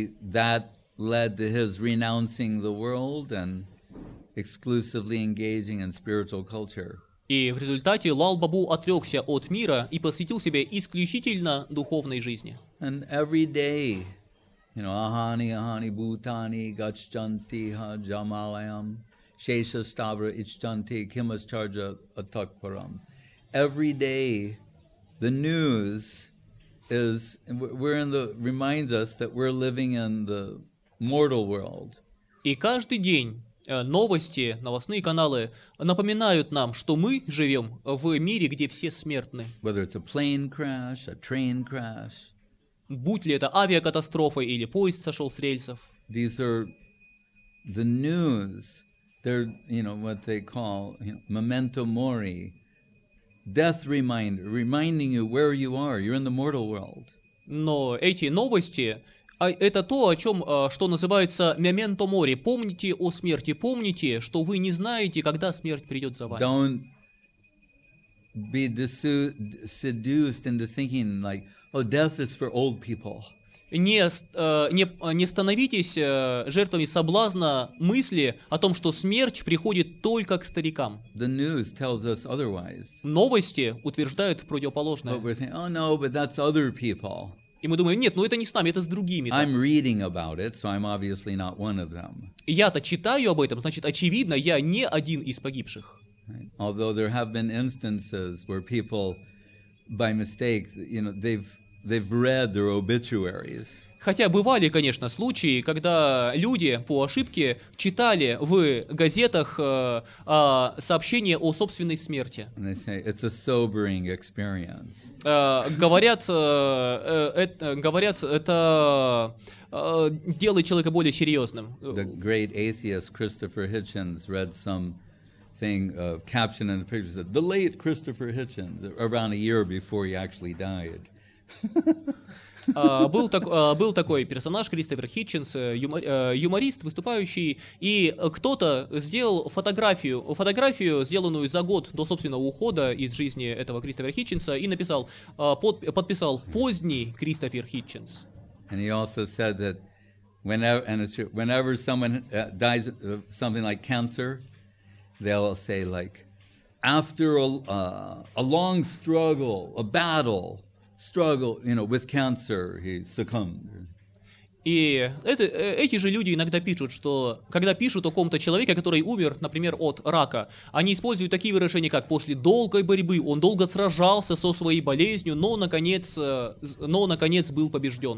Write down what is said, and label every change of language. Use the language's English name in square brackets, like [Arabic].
[English] That led to his renouncing the world and exclusively engaging in spiritual culture. [Russian] И в результате Лал Бабу отрекся от мира и посвятил себя исключительно духовной жизни. [English] And every day, you know, [Sanskrit] ahani ahani bhutani gacchanti ha jamalayam shesha stavra ichchanti kimascharja atakparam. [English] Every day, the news is we're in the reminds us that we're living in the mortal world. [Russian] И каждый день новости, новостные каналы напоминают нам, что мы живем в мире, где все смертны. [English] Whether it's a plane crash, a train crash, [Russian] будь ли это авиакатастрофа или поезд сошел с рельсов. [English] These are the news. They're, you know, what they call, you know, memento mori. Death reminder, reminding you where you are. You're in the mortal world. [Russian] Но эти новости, это то, о чем, что называется мементо мори. Помните о смерти. Помните, что вы не знаете, когда смерть придет за вами. [English] Don't be seduced into thinking like, oh, death is for old people. [Russian] Не становитесь жертвами соблазна мысли о том, что смерть приходит только к старикам. [English] The news tells us otherwise. [Russian] Новости утверждают противоположное. [English] But we're thinking, oh, no, but that's other people. [Russian] И мы думаем, нет, ну это не с нами, это с другими. [English] I'm reading about it, so I'm obviously not one of them. [Russian] Я-то читаю об этом, значит, очевидно, я не один из погибших. [English] Although there have been instances where people, by mistake, you know, they've read their obituaries. [Russian] Хотя бывали, конечно, случаи, когда люди по ошибке читали в газетах сообщение о собственной смерти. [English] And they say, it's a sobering experience. [Russian] Говорят, это делает человека более серьезным. [English] The great atheist Christopher Hitchens read some thing of caption in the paper that the late Christopher Hitchens around a year before he actually died. [Russian] Был такой персонаж, Кристофер Хитченс, юморист, выступающий, и кто-то сделал фотографию, сделанную за год до собственного ухода из жизни этого Кристофера Хитченса, и написал, подписал «Поздний Кристофер Хитченс». [English] And he also said that whenever someone dies of something like cancer, they'll say like, after a long struggle, a battle, struggle, you know, with cancer, he succumbed. [Russian] И эти же люди иногда пишут, что когда пишут о ком-то человеке, который умер, например, от рака, они используют такие выражения, как после долгой борьбы он долго сражался со своей болезнью, но наконец был побежден.